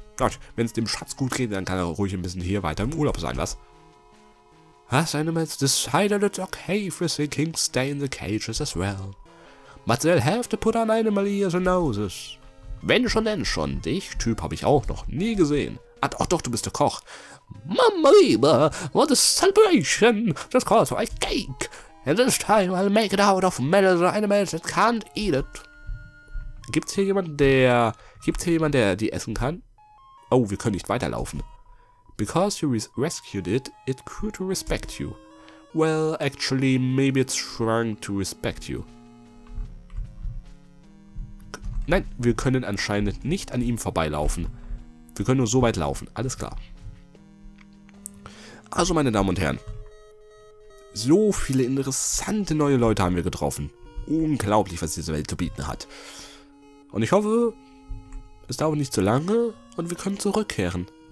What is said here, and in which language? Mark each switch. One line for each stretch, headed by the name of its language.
German: Gott, wenn's dem Schatz gut geht, dann kann er ruhig ein bisschen hier weiter im Urlaub sein, was?
English: Has animals decided it's okay if the kings stay in the cages as well? But they'll have to put on animal ears and noses.
German: Wenn schon, denn schon. Dich, Typ, habe ich auch noch nie gesehen. Ach doch, du bist der Koch.
English: Mamma mia, what a celebration! Just call for a cake! And this time I'll make it out of metal or animals that can't eat it.
German: Gibt's hier jemanden, der die essen kann? Oh, wir können nicht weiterlaufen.
English: Because you rescued it, it grew to respect you. Well, actually, maybe it's trying to respect you.
German: Nein, wir können anscheinend nicht an ihm vorbeilaufen. Wir können nur so weit laufen, alles klar. Also, meine Damen und Herren. So viele interessante neue Leute haben wir getroffen. Unglaublich, was diese Welt zu bieten hat. Und ich hoffe, es dauert nicht zu lange und wir können zurückkehren.